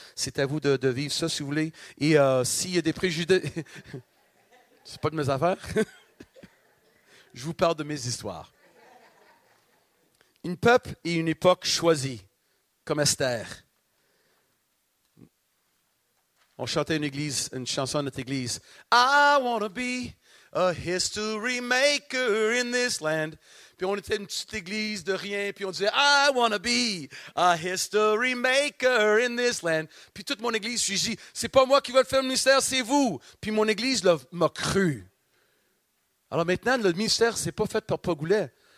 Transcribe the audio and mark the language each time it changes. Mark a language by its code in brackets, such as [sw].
[fr] C'est à vous de vivre ça, si vous voulez. Et s'il y a des préjugés, c'est pas de mes affaires. Je vous parle de mes histoires. Une peuple et une époque choisie, comme Esther. On chantait une chanson à notre église. [en] I want to be a history maker in this land. [fr] Puis on était une petite église de rien. Puis on disait, [en] I want to be a history maker in this land. [fr] Puis toute mon église, je dis, c'est pas moi qui veux faire le ministère, c'est vous. Puis mon église m'a cru. Alors maintenant, le ministère, c'est pas fait par Pogoulet.